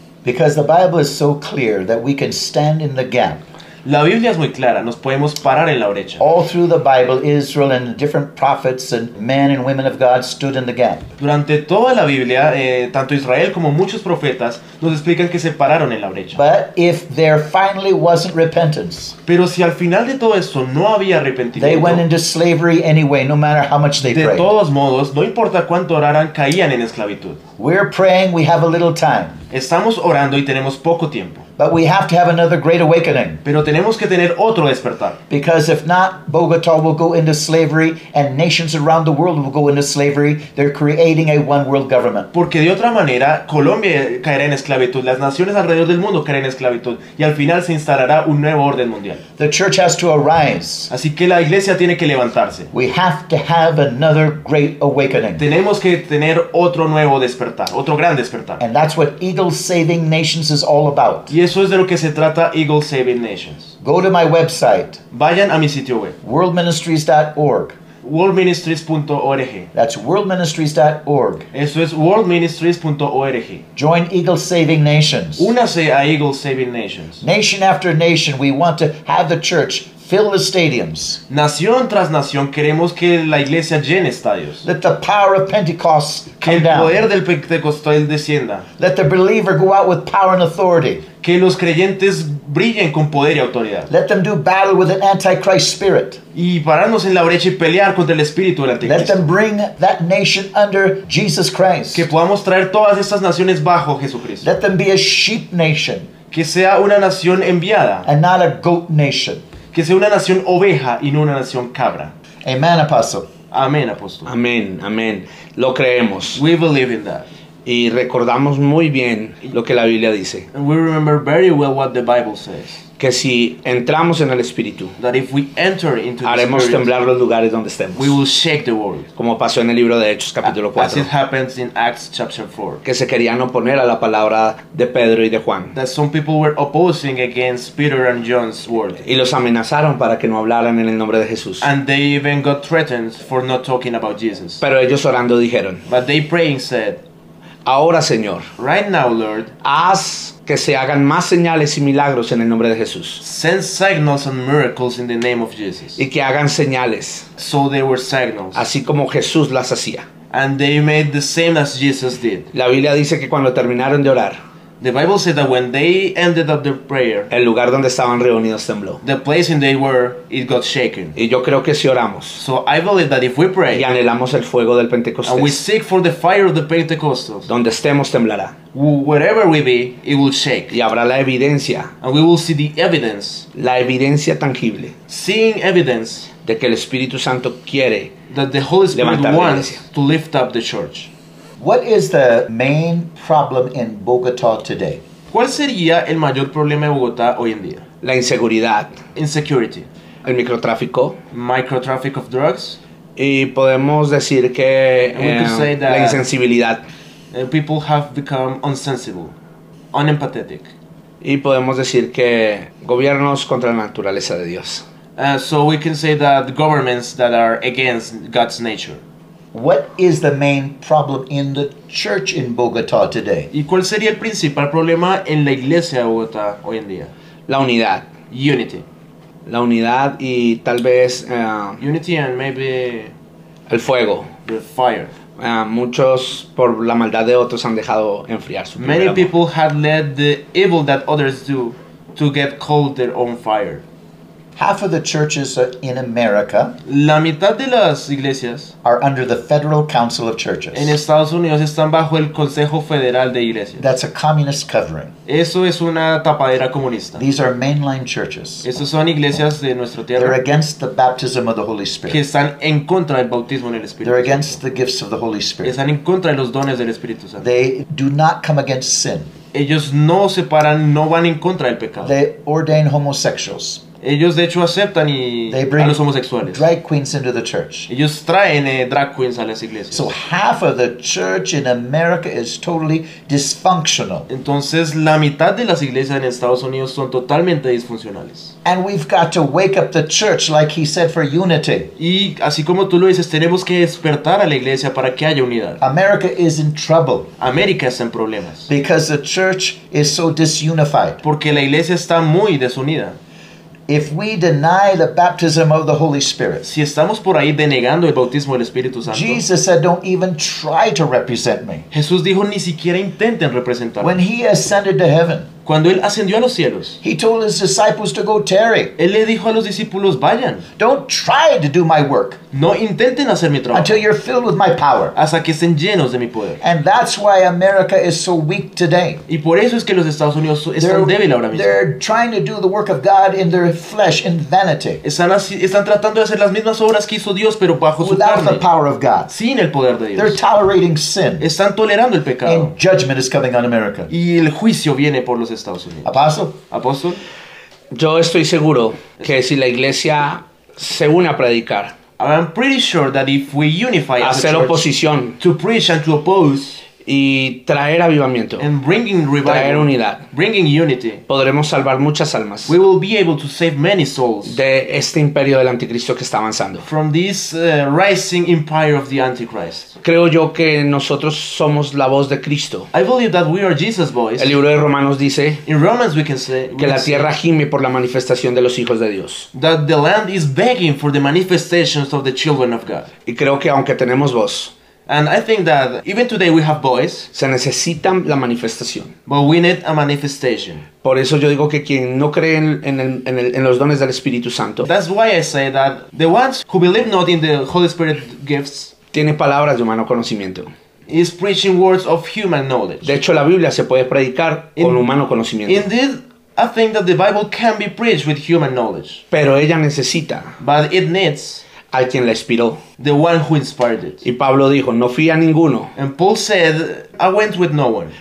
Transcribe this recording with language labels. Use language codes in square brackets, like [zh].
[en] Because the Bible is so clear that we can stand in the gap. [es] La Biblia es muy clara, nos podemos parar en la brecha. [en] All through the Bible, Israel and different prophets and men and women of God stood in the gap. [es] Durante toda la Biblia, tanto Israel como muchos profetas nos explican que se pararon en la brecha. [en] But if there finally wasn't repentance. [es] Pero si al final de todo esto no había arrepentimiento. [en] They went into slavery anyway, no matter how much they [es] de [en] prayed. [es] De todos modos, no importa cuánto oraran, caían en esclavitud. [en] We're praying, we have a little time. [es] Estamos orando y tenemos poco tiempo. [en] But we have to have another great awakening. [es] Pero tenemos que tener otro despertar. [en] Because if not, Bogotá will go into slavery and nations around the world will go into slavery. They're creating a one world government. [es] Porque de otra manera, Colombia caerá en esclavitud. Las naciones alrededor del mundo caerán en esclavitud. Y al final se instalará un nuevo orden mundial. [en] The church has to arise. [es] Así que la iglesia tiene que levantarse. [en] We have to have another great awakening. [es] Tenemos que tener otro nuevo despertar, otro gran despertar. [en] And that's what Eagle Saving Nations is all about. [es] Y eso es de lo que se trata Eagle Saving Nations. [en] Go to my website. [es] Vayan a mi sitio web. [en] Worldministries.org. [es] Worldministries.org. [en] That's worldministries.org. [es] Eso es worldministries.org. [en] Join Eagle Saving Nations. [es] Únase a Eagle Saving Nations. [en] Nation after nation, we want to have the church fill the stadiums. [es] Nación tras nación, queremos que la iglesia llene estadios. [en] Let the power of Pentecost come down. [es] Que el poder del Pentecostal descienda. [en] Let the believer go out with power and authority. [es] Que los creyentes brillen con poder y autoridad. [en] Let them do battle with an antichrist spirit. [es] Y pararnos en la brecha y pelear contra el espíritu del anticristo. [en] Let them bring that nation under Jesus Christ. [es] Que podamos traer todas estas naciones bajo Jesucristo. [en] Let them be a sheep nation. [es] Que sea una nación enviada. [en] And not a goat nation. [es] Que sea una nación oveja y no una nación cabra. Amen, apóstol. Amén, apóstol. Amén, amén. Lo creemos. [en] We believe in that. [es] Y recordamos muy bien lo que la Biblia dice. [en] And we remember very well what the Bible says. [es] Que si entramos en el Espíritu, [en] that if we enter into the [es] haremos [en] Spirit, [es] temblar los lugares donde estemos. [en] We will shake the world. [es] Como pasó en el libro de Hechos, capítulo 4. [en] As it happens in Acts chapter 4. [es] Que se querían oponer a la palabra de Pedro y de Juan. [en] That some people were opposing against Peter and John's word. [es] Y los amenazaron para que no hablaran en el nombre de Jesús. [en] And they even got threatened for not talking about Jesus. [es] Pero ellos orando dijeron. [en] But they praying said. [es] Ahora, Señor, [en] right now, Lord, [es] haz que se hagan más señales y milagros en el nombre de Jesús. [en] Send signals and miracles in the name of Jesus. [es] Y que hagan señales. [en] So they were signals. [es] Así como Jesús las hacía. [en] And they made the same as Jesus did. [es] La Biblia dice que cuando terminaron de orar, [en] the Bible said that when they ended up their prayer, [es] el lugar donde estaban reunidos tembló. [en] The place in they were, it got shaken. [es] Y yo creo que si oramos, [en] so I believe that if we pray, [es] y anhelamos el fuego del Pentecostés, [en] and we seek for the fire of the Pentecostals, [es] donde estemos temblará. [en] Wherever we be, it will shake. [es] Y habrá la evidencia, [en] and we will see the evidence, [es] la evidencia tangible, [en] seeing evidence, [es] de que el Espíritu Santo quiere, [en] that the Holy Spirit wants to lift up the church. What is the main problem in Bogotá today? [es] ¿Cuál sería el mayor problema de Bogotá hoy en día? La inseguridad. [en] Insecurity. [es] El microtráfico. [en] Microtraffic of drugs. [es] Y podemos decir que la insensibilidad. [en] People have become insensible, unempathetic. [es] Y podemos decir que gobiernos contra la naturaleza de Dios. [en] So we can say that governments that are against God's nature. What is the main problem in the church in Bogotá today? [es] ¿Y cuál sería el principal problema en la iglesia de Bogotá hoy en día? La unidad. [en] Unity. [es] La unidad y tal vez... [en] Unity and maybe... [es] El fuego. [en] The fire. [es] Muchos por la maldad de otros han dejado enfriar su primer [en] Many [es] amor. [en] People have let the evil that others do to get cold their own fire. Half of the churches in America, [es] la mitad de las iglesias, [en] are under the Federal Council of Churches. [es] En Estados Unidos están bajo el Consejo Federal de Iglesias. [en] That's a communist covering. [es] Eso es una tapadera comunista. [en] These are mainline churches. [es] Esas son iglesias de nuestra tierra. [en] They're against the baptism of the Holy Spirit. [es] Que están en contra del bautismo en el Espíritu. [en] They're against the gifts of the Holy Spirit. [es] Están en contra de los dones del Espíritu Santo. [en] They do not come against sin. [es] Ellos no se paran, no van en contra del pecado. [en] They ordain homosexuals. [es] Ellos de hecho aceptan y a los homosexuales. [en] Drag queens into the church. [es] Ellos traen drag queens a las iglesias. [en] So half of the church in America is totally dysfunctional. [es] Entonces la mitad de las iglesias en Estados Unidos son totalmente disfuncionales. [en] And we've got to wake up the church like he said for unity. [es] Y así como tú lo dices, tenemos que despertar a la iglesia para que haya unidad. [en] America is in trouble. [es] América está en problemas. [en] Because the church is so disunified. [es] Porque la iglesia está muy desunida. [en] If we deny the baptism of the Holy Spirit, [es] si estamos por ahí denegando el bautismo del Espíritu Santo, [en] Jesus said, "Don't even try to represent me." [es] Jesús dijo, ni siquiera intenten representarme. [en] When he ascended to heaven, [es] cuando él ascendió a los cielos. [en] He told his disciples to go tarry. [es] Él le dijo a los discípulos, vayan. [en] Don't try to do my work. [es] No intenten hacer mi trabajo. [en] Until you're filled with my power. [es] Hasta que estén llenos de mi poder. [en] And that's why America is so weak today. [es] Y por eso es que los Estados Unidos están débiles ahora mismo. [en] They're trying to do the work of God in their flesh in vanity. [es] Están tratando de hacer las mismas obras que hizo Dios, pero bajo su [en] Without [es] carne. [en] The power of God. [es] Sin el poder de Dios. [en] They're tolerating sin. [es] Están tolerando el pecado. [en] And judgment is coming on America. [es] Y el juicio viene por los Estados Unidos. Apóstol. Yo estoy seguro que si la iglesia se une a predicar, [en] I'm pretty sure that if we unify, [es] hacer oposición, [en] to preach and to oppose, [es] y traer avivamiento, [en] and bringing revival, [es] traer unidad, [en] bringing unity, [es] podremos salvar muchas almas, [en] we will be able to save many souls, [es] de este imperio del anticristo que está avanzando, [en] from this rising empire of the antichrist. [es] Creo yo que nosotros somos la voz de Cristo. [en] I believe that we are Jesus' voice. [es] El libro de Romanos dice, [en] in Romans we can say, [es] que la tierra gime por la manifestación de los hijos de Dios, [en] that the land is begging for the manifestations of the children of God. [es] Y creo que aunque tenemos voz, [en] and I think that even today we have boys, [es] se necesitan la manifestación. [en] But we need a manifestation. [es] Por eso yo digo que quien no cree en los dones del Espíritu Santo, [en] that's why I say that the ones who believe not in the Holy Spirit gifts, [es] tiene palabras de humano conocimiento, [en] is preaching words of human knowledge. [es] De hecho, la Biblia se puede predicar con humano conocimiento. [en] Indeed, I think that the Bible can be preached with human knowledge. [es] Pero ella necesita, [en] but it needs, [es] a quien la inspiró, [en] the one who inspired it. [es] Y Pablo dijo, no fui a ninguno, [en] and Paul said, I went with no one,